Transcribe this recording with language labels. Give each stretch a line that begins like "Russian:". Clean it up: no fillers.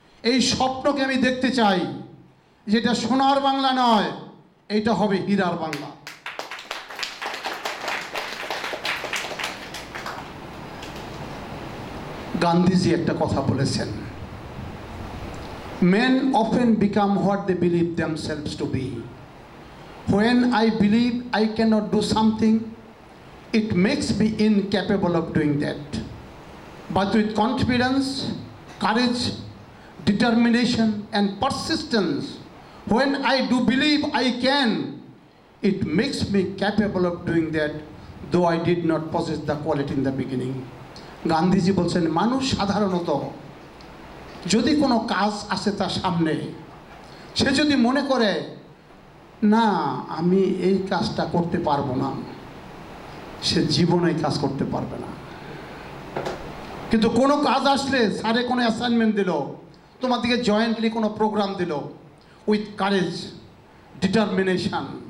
Bangla: এই স্বপ্নকে আমি দেখতে চাই যেটা সোনার বাংলা নয় এটা হবে হীরার বাংলা গান্ধীজি একটা কথা বলেছেন
English: Men often become what they believe themselves to be When I believe I cannot do something, it makes me incapable of doing that. But with confidence, courage, determination, and persistence, when I do believe I can, it makes me capable of doing that, though I did not possess the quality in the beginning.
Bangla: Gandhiji বলছেন মানুষ সাধারণত যদি কোনো কাজ আসে তার সামনে সে যদি মনে করে না আমি এই কাজটা করতে পারবো না সে জীবনে কাজ করতে পারবে না কিন্তু কোনো কাজ আসলে স্যারে কোনো অ্যাসাইনমেন্ট দিল তোমাদেরকে জয়েন্টলি কোনো প্রোগ্রাম দিল
English: with courage determination